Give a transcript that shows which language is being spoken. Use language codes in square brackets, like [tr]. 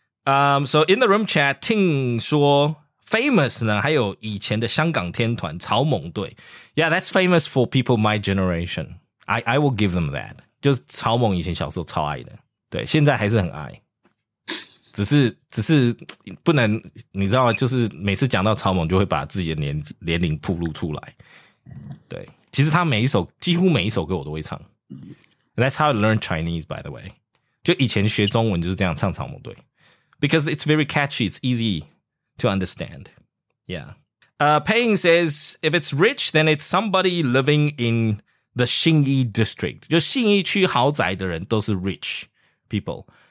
[en] So in the room chat, Ting 说 famous [zh] 呢还有以前的香港天团草蜢队 [en] Yeah, that's famous for people my generation. I will give them that. [zh] 就是草蜢以前小时候超爱的。对，现在还是很爱，只是不能，你知道，就是每次讲到草蜢，就会把自己的年龄暴露出来。对，其实他每一首，几乎每一首歌我都会唱。 [en] That's how I learned Chinese, by the way. [zh] 就以前学中文就是这样唱草蜢队 [en] ，because it's very catchy, it's easy to understand. Yeah. Paying says if it's rich, then it's somebody living in the Xinyi district. [zh] 就信义区豪宅的人都是 rich. [en] People.